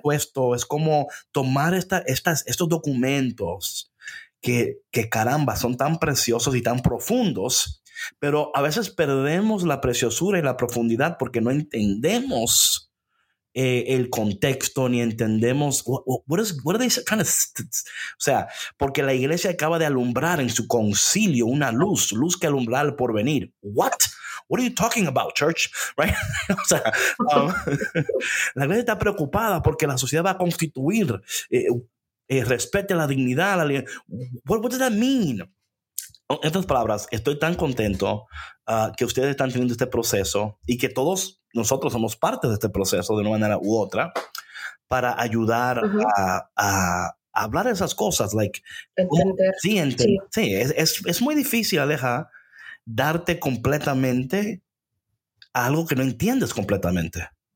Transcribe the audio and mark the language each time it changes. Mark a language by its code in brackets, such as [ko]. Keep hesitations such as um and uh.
[es] todo esto, es como tomar esta, estas, estos documentos que, que caramba, son tan preciosos y tan profundos, pero a veces perdemos la preciosura y la profundidad porque no entendemos eh, el contexto ni entendemos [en] what, what- what is- what are they trying to s- t- s- [es] o sea, porque la iglesia acaba de alumbrar en su concilio una luz, luz que alumbrar el porvenir. [en] What? What are you talking about, church? Right? [es] o sea, um, la iglesia está preocupada porque la sociedad va a constituir, eh, eh, respete la dignidad. [en] La, li- what, what does that mean? [es] En otras palabras, estoy tan contento ah, que ustedes están teniendo este proceso y que todos nosotros somos parte de este proceso de una manera u otra para ayudar Ujú. a, a hablar esas cosas. Like, Entender. sí, ente- sí. es, es- es muy difícil, Aleja, darte completamente a algo que no entiendes completamente.